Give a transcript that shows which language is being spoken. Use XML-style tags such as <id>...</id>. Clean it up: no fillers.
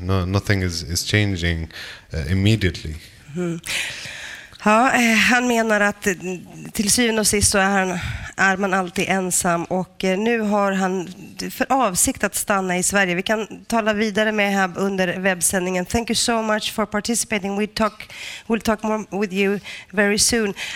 <en>Nothing is changing immediately.</en> <sv>Ja, han menar att till syvende och sist så är man alltid ensam, och nu har han för avsikt att stanna i Sverige. Vi kan tala vidare med Ehab under webbsändningen.</sv> <en>Thank you so much for participating. We'll talk more with you very soon.</en>